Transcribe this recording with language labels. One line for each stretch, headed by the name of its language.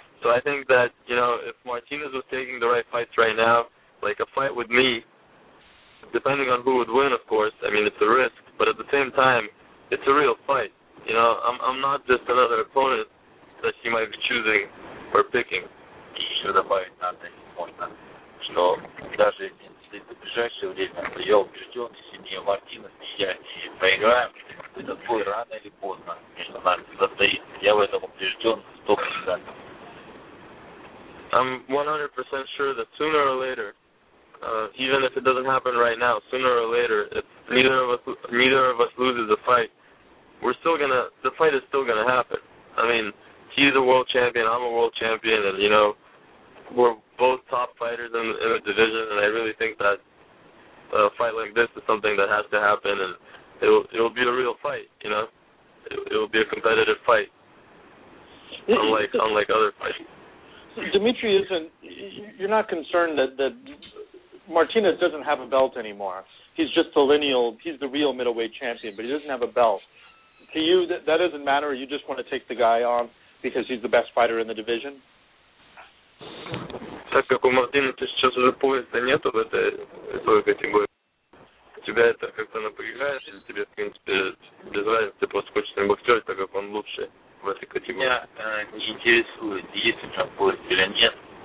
English: So I think that, you know, if Martinez was taking the right fights right now, like a fight with me, depending on who would win, of course, I mean, it's a risk, but at the same time, it's a real fight. You know, I'm not just another opponent that he might be choosing or picking.
Russian: И еще добавить надо, если можно, что даже если в ближайшее время, то я убежден, если не Мартинес, не я, не проиграем, этот бой рано или поздно между нами состоит. Я в этом убежден 100%.
English: I'm 100% sure that sooner or later, even if it doesn't happen right now, sooner or later, if neither of us loses the fight, the fight is still gonna happen. I mean, he's a world champion, I'm a world champion, and, you know, we're both top fighters in the division, and I really think that a fight like this is something that has to happen, and it'll be a real fight, you know? It'll be a competitive fight, unlike other fights. Dmitry, you're not concerned that Martinez doesn't have a belt anymore. He's just the lineal, he's the real middleweight champion, but he doesn't have a belt. To you, that doesn't matter? You just want to take the guy on because he's the best fighter in the division?
Russian: Так как у Мартинеса сейчас уже пояса нету в этой категории, тебя это как-то напрягает, или тебе, в принципе, без разницы, ты просто хочешь с ним боксировать, так как он лучше в этой категории? Меня не интересует, есть у него поезд или нет.